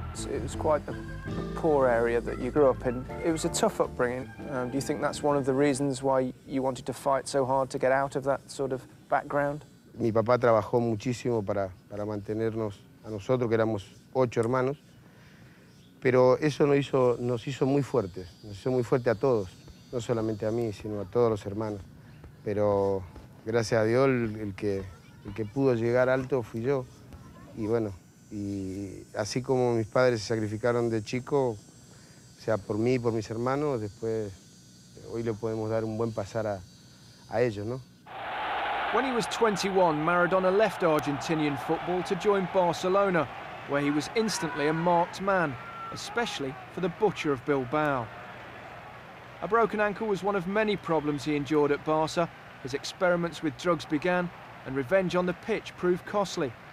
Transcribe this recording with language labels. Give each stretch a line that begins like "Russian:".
English: It was quite a poor area that you grew up in. It was a tough upbringing. Do you think that's one of the reasons why you wanted to fight so hard to get out of that sort of background?
Spanish: Mi papá trabajó muchísimo para mantenernos a nosotros, que éramos ocho hermanos. Pero eso nos hizo muy fuertes, nos hizo muy fuerte a todos, no solamente a mí, sino a todos los hermanos. Pero gracias a Dios, el que pudo llegar alto fui yo. Y bueno, y así como mis padres se sacrificaron de chico, o sea, por mí y por mis hermanos, después hoy le podemos dar un buen pasar a ellos, ¿no?
English: When he was 21, Maradona left Argentinian football to join Barcelona, where he was instantly a marked man, especially for the butcher of Bilbao. A broken ankle was one of many problems he endured at Barca. His experiments with drugs began, and revenge on the pitch proved costly.